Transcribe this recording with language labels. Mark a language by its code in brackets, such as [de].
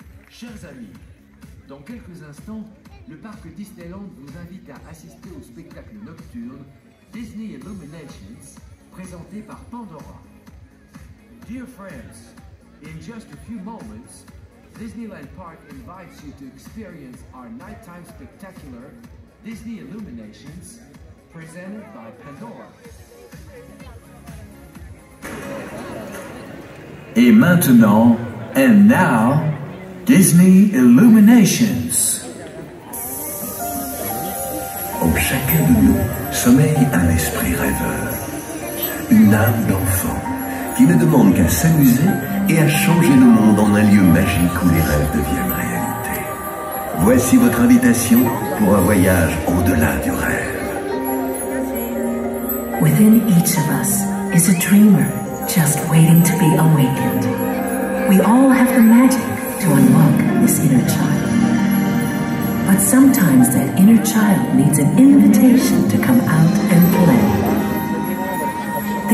[fr] Chers amis, dans quelques instants, le parc Disneyland vous invite à assister au spectacle nocturne Disney Illuminations, présenté par Pandora. [en] Dear friends, in just a few moments, Disneyland Park invites you to experience our nighttime spectacular, Disney Illuminations, presented by Pandora. [fr] Et maintenant, [en] and now, [fr] Disney Illuminations. En chacun de nous sommeille un esprit rêveur, une âme d'enfant qui ne demande qu'à s'amuser et à changer le monde en un lieu magique où les rêves deviennent réalité. Voici votre invitation pour un voyage au-delà du rêve. [en] Within each of us is a dreamer just waiting to be awakened. We all have the magic to unlock this inner child. But sometimes that inner child needs an invitation to come out and play.